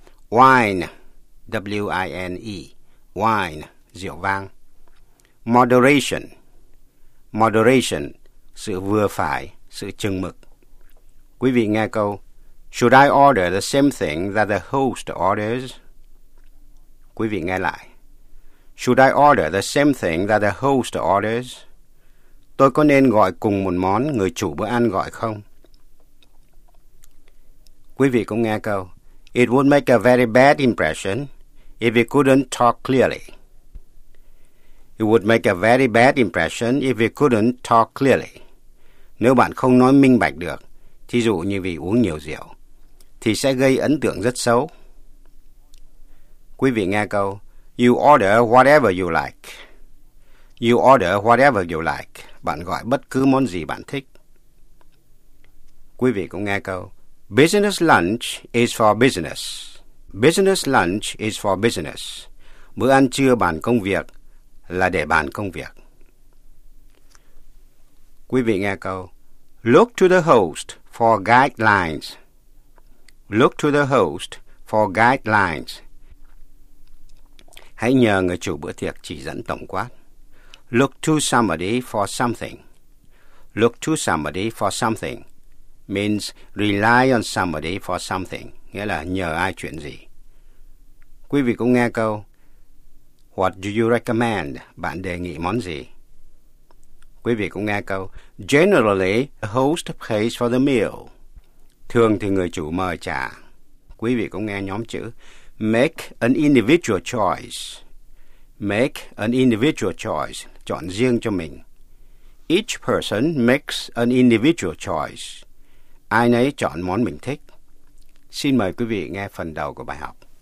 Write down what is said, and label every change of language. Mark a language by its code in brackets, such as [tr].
[en] Wine, W-I-N-E, wine, [vi] rượu vang. [en] Moderation. [vi] Moderation, sự vừa phải, sự chừng mực. Quý vị nghe câu, [en] should I order the same thing that the host orders? [vi] Quý vị nghe lại. [en] Should I order the same thing that the host orders? [vi] Tôi có nên gọi cùng một món người chủ bữa ăn gọi không? Quý vị cũng nghe câu, [en] it would make a very bad impression if you couldn't talk clearly. It would make a very bad impression if you couldn't talk clearly. [vi] Nếu bạn không nói minh bạch được, thí dụ như vì uống nhiều rượu, thì sẽ gây ấn tượng rất xấu. Quý vị nghe câu, [en] you order whatever you like. You order whatever you like. [vi] Bạn gọi bất cứ món gì bạn thích. Quý vị cũng nghe câu, [en] business lunch is for business. Business lunch is for business. [vi] Bữa ăn trưa bàn công việc là để bàn công việc. Quý vị nghe câu, [en] look to the host for guidelines. Look to the host for guidelines. [vi] Hãy nhờ người chủ bữa tiệc chỉ dẫn tổng quát. [en] Look to somebody for something. Look to somebody for something means rely on somebody for something, [vi] nghĩa là nhờ ai chuyện gì. Quý vị cũng nghe câu, [en] what do you recommend? [vi] Bạn đề nghị món gì? Quý vị cũng nghe câu, [en] generally, the host pays for the meal. [vi] Thường thì người chủ mời trả. Quý vị cũng nghe nhóm chữ, [en] make an individual choice. Make an individual choice, [vi] chọn riêng cho mình. [en] Each person makes an individual choice. [vi] Ai nấy chọn món mình thích. Xin mời quý vị nghe phần đầu của bài học.